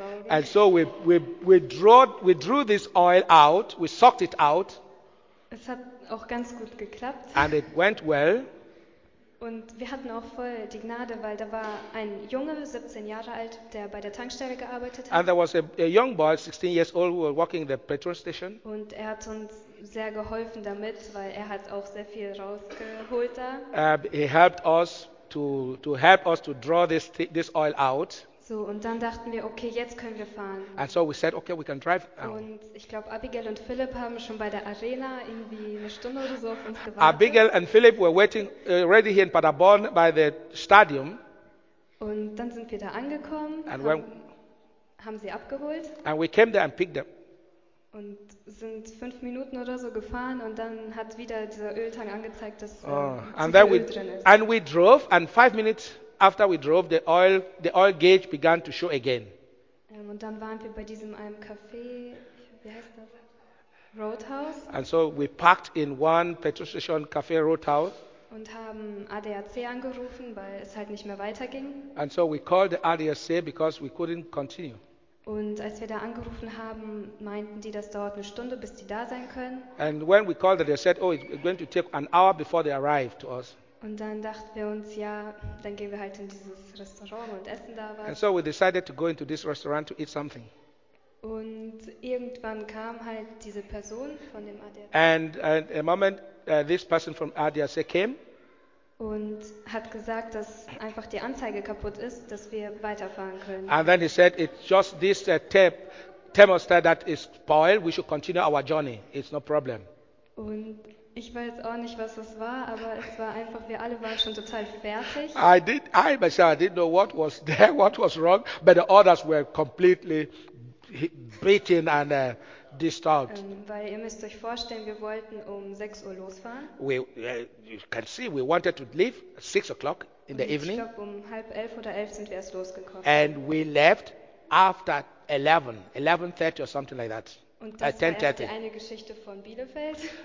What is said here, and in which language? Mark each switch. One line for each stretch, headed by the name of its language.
English: And so we drew this oil out, we sucked it out.
German: Es hat auch ganz gut geklappt.
English: And it went well.
German: Und wir hatten auch voll die Gnade, weil da war ein Junge, 17 Jahre alt, der bei der Tankstelle gearbeitet hat.
English: And there was a young boy, 16 years old, who was working in the petrol station.
German: Und er hat uns sehr geholfen damit, weil er hat auch sehr viel rausgeholt da.
English: He helped us to help us to draw this oil out.
German: So, und dann dachten wir, okay, jetzt können wir fahren.
English: And so we said, okay, we can drive.
German: Und ich glaube, Abigail und Philipp haben schon bei der Arena irgendwie eine Stunde oder so auf uns gewartet.
English: Abigail and Philipp were waiting ready here in Paderborn by the stadium.
German: Und dann sind wir da angekommen, haben sie abgeholt.
English: And we came there and picked them.
German: Und sind 5 Minuten oder so gefahren und dann hat wieder dieser Öltank angezeigt, dass Öl drin ist.
English: And we drove and 5 minutes after we drove, the oil gauge began to show again.
German: Und dann waren wir bei diesem einem Café, wie heißt das? Roadhouse.
English: And so we parked in one petrol station café Roadhouse.
German: Und haben ADAC angerufen, weil es halt nicht mehr weiterging.
English: And so we called the ADAC because we couldn't continue.
German: Und als wir da angerufen haben, meinten die, das dauert eine Stunde, bis die da sein können.
English: And when we called, they said, oh, it's going to take an hour before they arrive to us.
German: Und dann dachten wir uns, ja, dann gehen wir halt in dieses Restaurant und essen da was.
English: And so we decided to go into this restaurant to eat something.
German: Und irgendwann kam halt diese Person von dem ADAC.
English: And a moment, this person from ADAC came.
German: Und hat gesagt, dass einfach die Anzeige kaputt ist, dass wir weiterfahren können.
English: And then he said, it's just this thermostat that is spoiled, we should continue our journey, it's no problem.
German: Und ich weiß auch nicht, was das war, aber es war einfach, wir alle waren schon total fertig.
English: I didn't know what was there, what was wrong, but the others were completely beaten and disturbed.
German: Weil ihr müsst euch vorstellen, wir wollten um 6 Uhr losfahren.
English: You can see, we wanted to leave at 6 o'clock in
German: und
English: the evening.
German: Ich glaube, um 10:30 oder 11 sind wir erst losgekommen.
English: And we left after 11:30 or something like that.
German: Und das ist erst eine Geschichte von Bielefeld.